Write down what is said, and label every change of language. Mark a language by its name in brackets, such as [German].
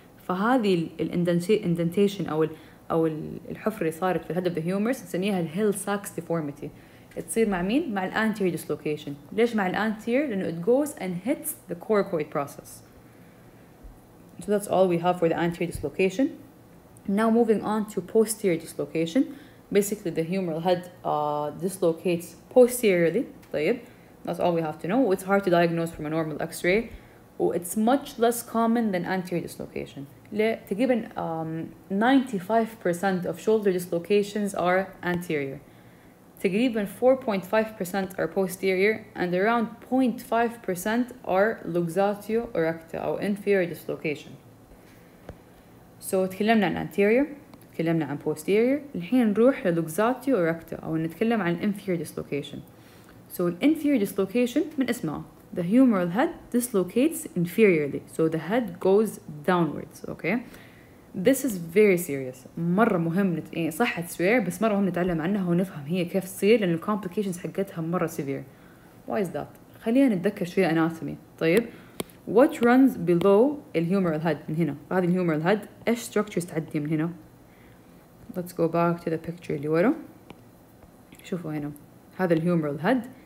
[Arabic] فهذه الindentation أو الحفرة صارت في الهد [English] of the humerus [Arabic] نسميها الـ heel socks deformity. تصير مع مين؟ مع الـ anterior dislocation. ليش مع الـ anterior؟ لأنه [English] it goes and hits the coracoid process. So that's all we have for the anterior dislocation. Now moving on to posterior dislocation. Basically the humeral head dislocates posteriorly. طيب that's all we have to know. It's hard to diagnose from a normal x-ray. It's much less common than anterior dislocation. تقريباً 95% of shoulder dislocations are anterior. تقريباً 4.5% are posterior and around 0.5% are luxatio erecta أو inferior dislocation. [Arabic] So تكلمنا عن anterior, تكلمنا عن posterior. الحين نروح لluxatio erecta أو نتكلم عن inferior dislocation. [English] So inferior dislocation [Arabic] من اسمها. [English] The humeral head dislocates inferiorly, so the head goes downwards. Okay, this is very serious. [Arabic] مرة مهم صح تسوير بس مرة مهم نتعلم عنها ونفهم هي كيف تصير لأن complications حقتها مرة severe. [English] Why is that? [Arabic] خلينا نتذكر شوية anatomy. [English] طيب, what runs below the humeral head [Arabic] من هنا؟ هذه [English] the humeral head. [Arabic] إيش structures تعدي من هنا؟ [English] Let's go back to the picture [Arabic] اللي ورا. شوفوا هنا. هذا [English] the humeral head.